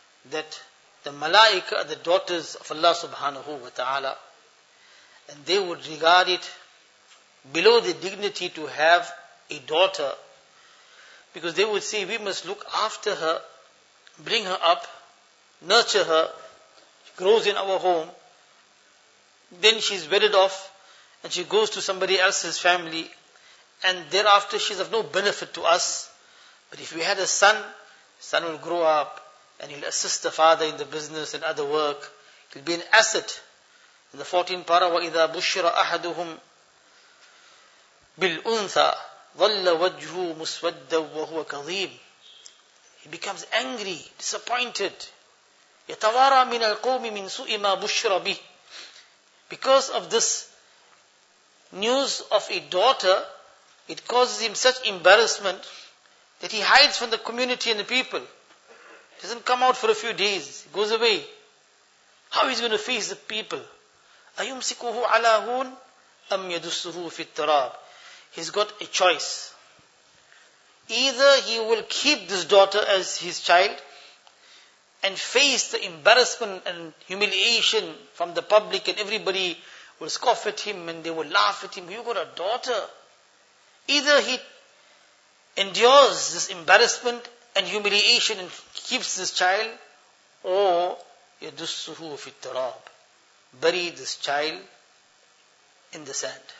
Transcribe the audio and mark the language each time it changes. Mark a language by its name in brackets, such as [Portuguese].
[English] that the malaika are the daughters of Allah subhanahu wa ta'ala, and they would regard it below the dignity to have a daughter, because they would say, we must look after her, bring her up, nurture her, she grows in our home, then she's wedded off and she goes to somebody else's family, and thereafter she's of no benefit to us. But if we had a son, son will grow up and he'll assist the father in the business and other work, he'll be an asset. In the 14th para, [Arabic] وَإِذَا بُشِّرَ أَحَدُهُمْ بِالْأُنْثَى ظَلَّ وَجْهُ مُسْوَدَّ وَهُوَ كَظِيمٌ. [English] He becomes angry, disappointed. [Arabic] يَتَوَارَى مِنَ الْقَوْمِ مِنْ سُؤِ مَا بُشِّرَ بِهِ. [English] Because of this news of a daughter, it causes him such embarrassment that he hides from the community and the people. Doesn't come out for a few days, goes away. How is he going to face the people? [Arabic] أَيُمْسِكُهُ عَلَى هُونَ أَمْ يَدُسُّهُ فِي التَّرَابِ. [English] He's got a choice. Either he will keep this daughter as his child and face the embarrassment and humiliation from the public, and everybody will scoff at him and they will laugh at him, you got a daughter. Either he endures this embarrassment and humiliation and keeps this child, or [Arabic] يَدُسُّهُ فِي التَّرَابِ, [English] bury this child in the sand.